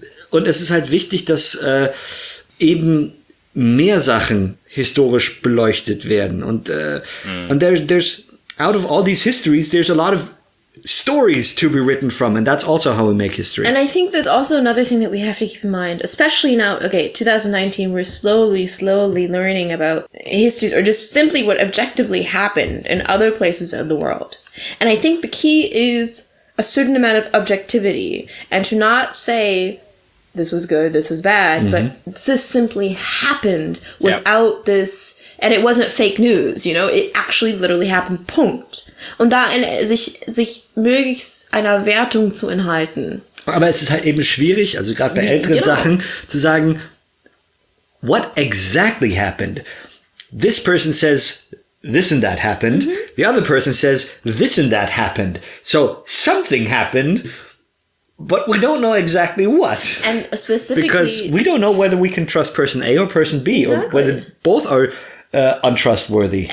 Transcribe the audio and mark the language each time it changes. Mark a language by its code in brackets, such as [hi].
[de] Und es ist halt wichtig, dass eben mehr Sachen historisch beleuchtet werden. Und und [en] there's out of all these histories, there's a lot of stories to be written from. And that's also how we make history. And I think there's also another thing that we have to keep in mind, especially now, okay, 2019, we're slowly learning about histories or just simply what objectively happened in other places of the world. And I think the key is a certain amount of objectivity and to not say this was good, this was bad, but this simply happened without this, and it wasn't fake news, you know, it actually literally happened, Punkt. [de] Und da in, sich möglichst einer Wertung zu enthalten. Aber es ist halt eben schwierig, also gerade bei älteren Sachen, zu sagen, [en] what exactly happened? This person says, this and that happened. The other person says, this and that happened. So, something happened. But we don't know exactly what. And specifically, because we don't know whether we can trust person A or person B, or whether both are untrustworthy.